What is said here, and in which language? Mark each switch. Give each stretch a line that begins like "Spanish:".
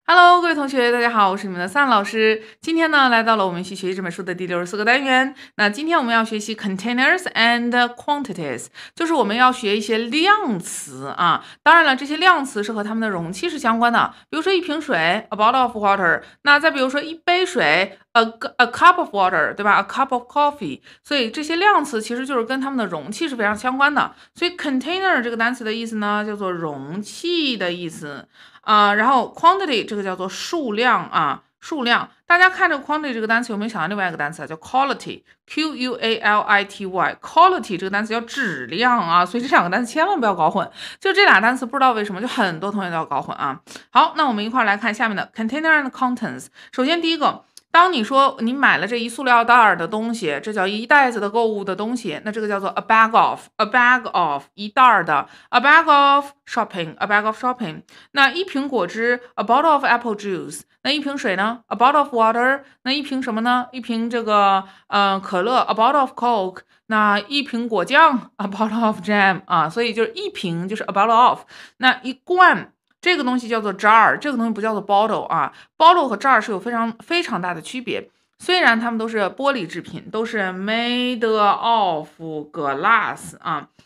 Chinese: Hello，各位同学，大家好，我是你们的 Sun 老师。今天呢，来到了我们一起学习这本书的第64个单元。那今天我们要学习
English: containers and quantities，
Chinese: 就是我们要学一些量词啊。当然了，这些量词是和它们的容器是相关的，比如说一瓶水 ，
English: a bottle of water。
Chinese: 那再比如说一杯水 ，
English: a cup of water，
Chinese: 对吧 ？
English: a cup of coffee。
Chinese: 所以这些量词其实就是跟它们的容器是非常相关的。所以 container 这个单词的意思呢，叫做容器的意思。然后 quantity 这个叫做数量啊，数量。大家看这个 quantity 这个单词，有没有想到另外一个单词啊？叫 quality，Q-U-A-L-I-T-Y。 quality 这个单词叫质量啊，所以这两个单词千万不要搞混。就这俩单词，不知道为什么，就很多同学都要搞混啊。好，那我们一块来看下面的
English: container and contents。
Chinese: 首先第一个，当你说你买了这一塑料袋的东西，这叫一袋子的购物的东西，那这个叫做
English: a bag of
Chinese: 一袋的
English: a bag of shopping。
Chinese: 那一瓶果汁
English: a bottle of apple juice。
Chinese: 那一瓶水呢
English: a bottle of water。
Chinese: 那一瓶什么呢？一瓶这个可乐
English: a bottle of coke。
Chinese: 那一瓶果酱
English: a bottle of jam
Chinese: 啊，所以就是一瓶就是
English: a bottle of。
Chinese: 那一罐。这个东西叫做 jar， 这个东西不叫做 bottle 啊。bottle 和 jar 是有非常非常大的区别，虽然它们都是玻璃制品，都是
English: made of glass
Chinese: 啊。